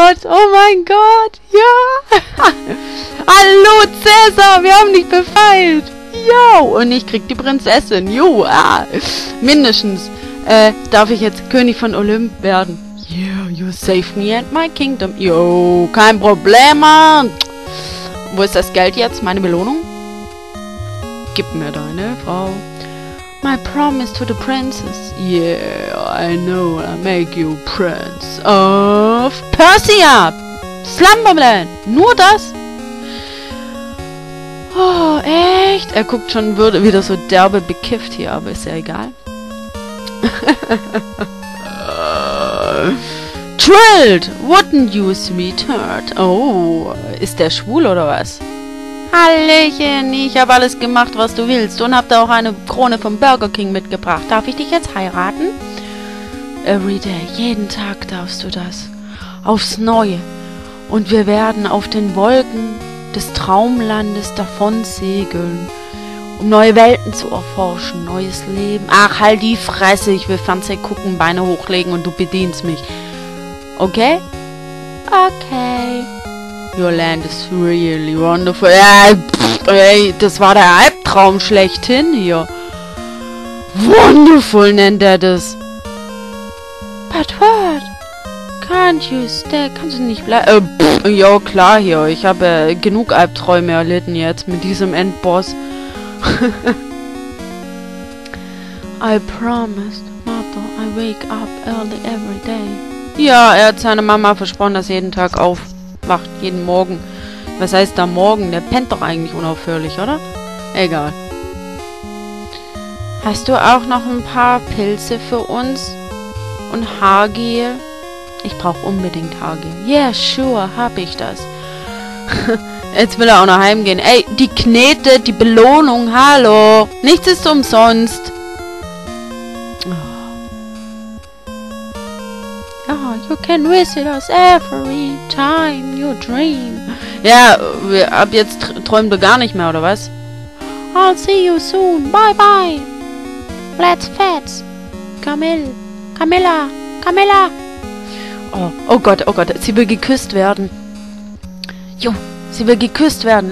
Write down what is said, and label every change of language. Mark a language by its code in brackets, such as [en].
[de] Oh mein Gott, ja! Hallo Cäsar, wir haben dich befreit! Jo, und ich krieg die Prinzessin, jo! Ah. Mindestens darf ich jetzt König von Olymp werden. [en] Yeah, you save me and my kingdom. [de] Jo, kein Problem, Mann! Wo ist das Geld jetzt, meine Belohnung? Gib mir deine Frau. [en] My promise to the princess. Yeah, I know, I make you prince of Persia! [de] Slumberland! Nur das? Oh, echt? Er guckt schon wieder so derbe bekifft hier, aber ist ja egal. [en] Trilled! Wouldn't you, sweetheart? [de] Oh, ist der schwul oder was? Hallöchen, ich habe alles gemacht, was du willst. Und hab da auch eine Krone vom Burger King mitgebracht. Darf ich dich jetzt heiraten? [en] Every day, [de] jeden Tag darfst du das. Aufs Neue. Und wir werden auf den Wolken des Traumlandes davon segeln, um neue Welten zu erforschen, neues Leben. Ach, halt die Fresse, ich will Fernseh gucken, Beine hochlegen und du bedienst mich. Okay? Okay. [en] Your land is really wonderful. [de] Ey, das war der Albtraum schlechthin hier. Wonderful nennt er das. [en] But what? Can't you stay? [de] Kannst du nicht bleiben? Ja, klar hier. Ich habe genug Albträume erlitten jetzt mit diesem Endboss. [en] I promised mother I wake up early every day. [de] Ja, er hat seine Mama versprochen, dass jeden Tag aufwacht, jeden Morgen. Was heißt da morgen? Der pennt doch eigentlich unaufhörlich, oder? Egal. Hast du auch noch ein paar Pilze für uns? Und Haargel? Ich brauche unbedingt Haargel. [en] Yeah, sure, [de] hab ich das. Jetzt will er auch noch heimgehen. Ey, die Knete, die Belohnung, hallo. Nichts ist umsonst. Oh. Ja, [en] you can visit us every time you dream. [de] Ja, ab jetzt träumen wir gar nicht mehr, oder was? [en] I'll see you soon. Bye bye. Let's fetch. Camille. Camilla. Camilla. [de] Oh, oh Gott, oh Gott. Sie will geküsst werden. Jo, sie will geküsst werden.